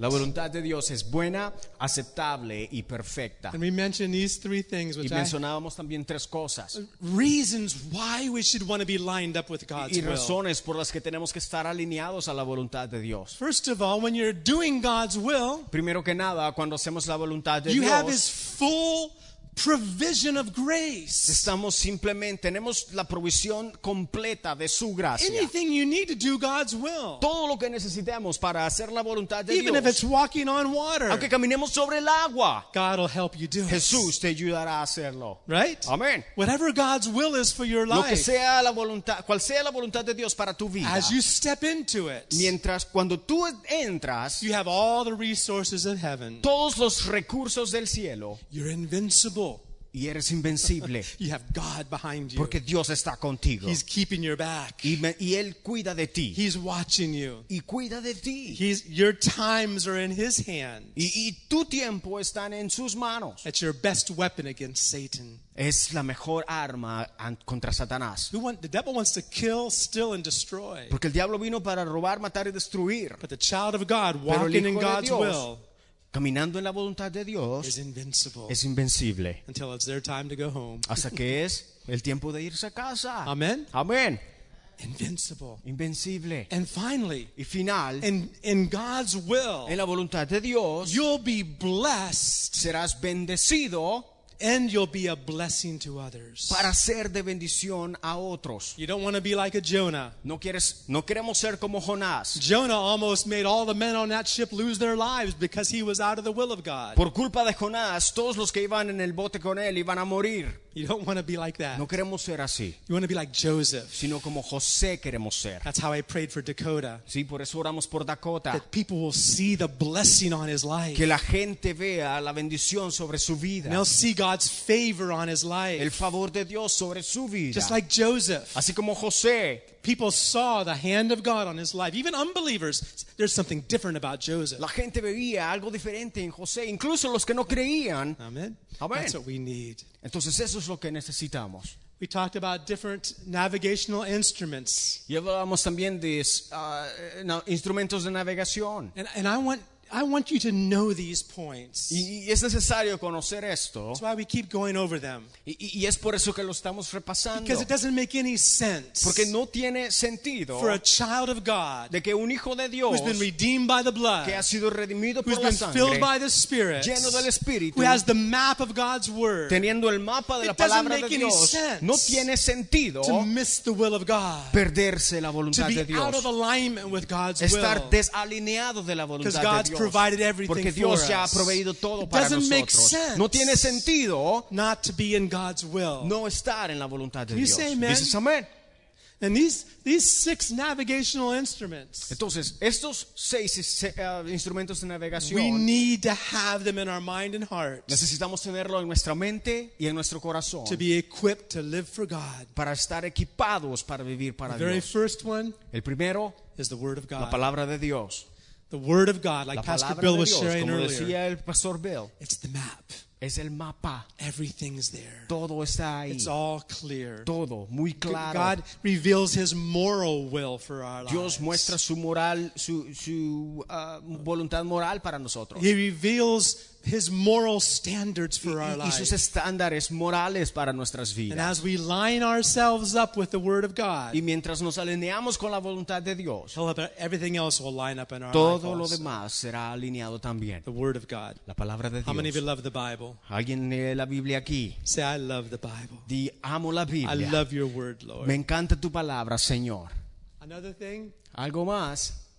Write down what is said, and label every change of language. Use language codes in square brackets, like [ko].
[es] La voluntad de Dios es buena, aceptable y perfecta. [en] And we mentioned these three things. [es] Y mencionábamos también tres cosas. [en] Reasons why we should want to be lined up with God's will. [es] Y razones por las que tenemos que estar alineados a la voluntad de Dios. [en] First of all, when you're doing God's will, [es] primero que nada, cuando hacemos la voluntad de [en] you [es] Dios, [en] have His full provision of grace. [es] Estamos simplemente tenemos la provisión completa de su gracia. [en] Anything you need to do God's will. [es] Todo lo que necesitamos para hacer la voluntad de Dios. [en] Even if it's walking on water. [es] Aunque caminemos sobre el agua. [en] God will help you do it. [es] Jesús te ayudará a hacerlo. [en] Right? Amen. Whatever God's will is for your life. [es] Lo que sea la voluntad, cual sea la voluntad de Dios para tu vida. [en] As you step into it. [es] Mientras cuando tú entras. [en] You have all the resources of heaven. [es] Todos los recursos del cielo. [en] You're invincible. [es] Y eres invencible. [en] You have God behind you. [es] Porque Dios está contigo. [en] He's keeping your back. [es] Y él cuida de ti. [en] He's watching you. [es] Y cuida de ti. [en] Your times are in his hands. [es] Y tu tiempo está en sus manos. [en] It's your best weapon against Satan. [es] Es la mejor arma contra Satanás. [en] The devil wants to kill, steal, and destroy. [es] Porque el diablo vino para robar, matar y destruir. [en] But the child of God walking in God's will. [es] Caminando en la voluntad de Dios es invencible [en] until it's their time to go home. [es] Hasta que es el tiempo de irse a casa. [en] Amen. [es] Amen. [en] Invincible. [es] Invencible. [en] And finally, [es] y final, [en] in God's will, [es] en la voluntad de Dios, [en] you'll be blessed. [es] Serás bendecido. [en] And you'll be a blessing to others. [es] Para ser de bendición a otros. [en] You don't want to be like a Jonah. [es] No queremos ser como Jonás. [en] Jonah almost made all the men on that ship lose their lives because he was out of the will of God. [es] Por culpa de Jonás, todos los que iban en el bote con él iban a morir. [en] You don't want to be like that. [es] No queremos ser así. [en] You want to be like Joseph. [es] Sino como José queremos ser. [en] That's how I prayed for Dakota. [es] Sí, por eso oramos por Dakota. [en] That people will see the blessing on his life. [es] Que la gente vea la bendición sobre su vida. [en] And they'll see God's favor on his life. [es] El favor de Dios sobre su vida. [en] Just like Joseph. [es] Así como José. [en] People saw the hand of God on his life. Even unbelievers, there's something different about Joseph. [es] La gente veía algo diferente en José, incluso los que no creían. [en] Amen. [es] Amen. [en] That's what we need. [es] Entonces eso es lo que necesitamos. [en] We talked about different navigational instruments. [es] Y hablamos también de instrumentos de navegación. [en] And I want you to know these points. [es] Y es necesario conocer esto. [en] That's why we keep going over them. [es] Y es por eso que lo estamos repasando. [en] Because it doesn't make any sense. [es] Porque no tiene sentido. [en] For a child of God. [es] De que un hijo de Dios. [en] Who's been redeemed by the blood. [es] Que ha sido redimido por la sangre. [en] Who's been filled by the Spirit. [es] Lleno del Espíritu. [en] Who has the map of God's word. [es] Teniendo el mapa de la palabra de Dios. [en] It doesn't make any sense. [es] No tiene sentido. [en] To miss the will of God. [es] Perderse la voluntad de Dios. [en] To be out of alignment with God's will. [es] Estar desalineado de la voluntad de Dios. [en] Provided everything [es] porque Dios [en] for us. [es] Ya ha proveído todo [en] it doesn't [es] para [en] make sense. [es] No tiene sentido [en] not to be in God's will. [es] No estar en la voluntad de [en] Can [es] Dios. [en] You say amen? [es] Dices, amen. [en] And these six navigational instruments. [es] Entonces estos seis instrumentos de navegación. [en] We need to have them in our mind and heart. [es] Necesitamos tenerlo en nuestra mente y en nuestro corazón. [en] To be equipped to live for God. [es] Para estar equipados para vivir para [en] the [es] Dios. [en] The very first one. [es] El primero [en] is the word of God. [es] La palabra de Dios. [en] The word of God, like Pastor Bill was sharing earlier. [es] La palabra de Dios, como decía el Pastor Bill. [en] It's the map. [es] Es el mapa. [en] Everything's there. [es] Todo está ahí. [en] It's all clear. [es] Todo muy claro. [en] God reveals his moral will for our lives. [es] Dios muestra su moral, su voluntad moral para nosotros. [en] He reveals his moral standards for our lives. [es] Y sus estándares morales para nuestras vidas. [en] And as we line ourselves up with the word of God. [es] Y mientras nos alineamos con la voluntad de Dios. [en] Everything else will line up in our lives. [es] Todo lo demás será alineado también. [en] The word of God. [es] La palabra de Dios. [en] How many of you love the Bible? [es] ¿Alguien lee la Biblia aquí? [en] Say I love the Bible. [es] Di amo la Biblia. [en] I love your word, Lord. [es] Me encanta tu palabra, Señor. [en] Another thing. [es] Algo más.